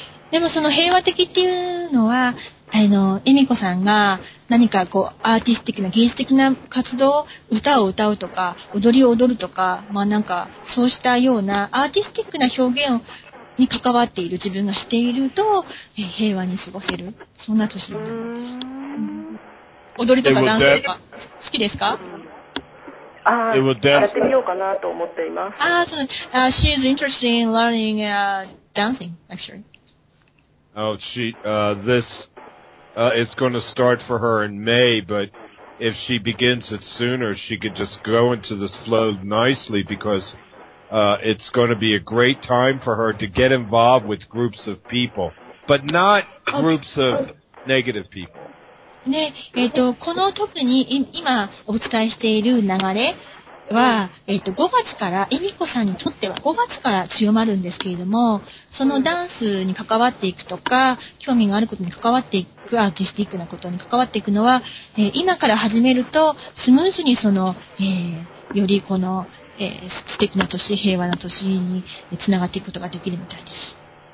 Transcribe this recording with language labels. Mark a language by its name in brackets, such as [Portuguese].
[Japanese] でもその平和的っていうのは、恵美子さんが何かこうアーティスティックな芸術的な活動、歌を歌うとか踊りを踊るとか、まあなんかそうしたようなアーティスティックな表現に関わっている自分がしていると平和に過ごせるそんな年になるんです。踊りとかダンスとか好きですか？やってみようかなと思っています。 [English] その、she is interested in learning dancing actually. It's going to start for her in May, but if she begins it sooner, she could just go into this flow nicely because, it's going to be a great time for her to get involved with groups of people, but not groups of negative people. [Japanese] で、この特に今お伝えしている流れは、5月から、恵美子さんにとっては5月から強まるんですけれども、そのダンスに関わっていくとか、興味があることに関わっていく、アーティスティックなことに関わっていくのは、今から始めると、スムーズにその、よりこの、素敵な年、平和な年につながっていくことができるみたいです。